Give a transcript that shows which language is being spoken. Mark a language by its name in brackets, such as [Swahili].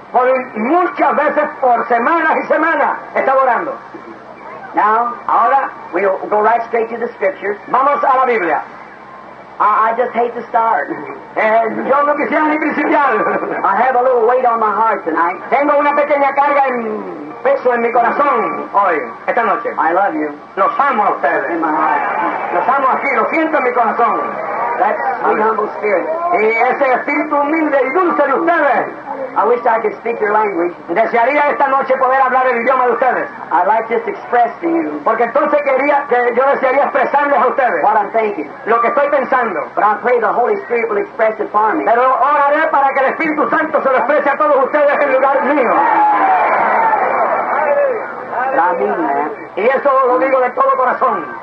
[Spanish] Por muchas veces por semanas y semanas estaba orando. [English] Now, [Spanish] ahora [English] we'll go right straight to the scriptures. [Spanish] Vamos a la Biblia. [English] I just hate to start. [Spanish] Yo no quisiera ni principiar. [English] I have a little weight on my heart tonight. [Spanish] Tengo una pequeña carga en peso en mi corazón hoy, esta noche. [English] I love you. [Spanish] Los amo a ustedes. [English] In my heart. [Spanish] Los amo aquí, los siento en mi corazón. [English] That's my humble spirit. [Spanish] Y ese espíritu humilde y dulce de ustedes. [English] I wish I could speak your language. [Spanish] Desearía esta noche poder hablar el idioma de ustedes. [English] I'd like to express to you. [Spanish] Porque entonces quería que yo desearía expresarles a ustedes. [English] What I'm thinking. [Spanish] Lo que estoy pensando. [English] But I pray the Holy Spirit will express it for me. [Spanish] Pero oraré para que el Espíritu Santo se lo exprese a todos ustedes en lugar mío. [English] Amen. [Spanish] Y eso lo digo de todo corazón.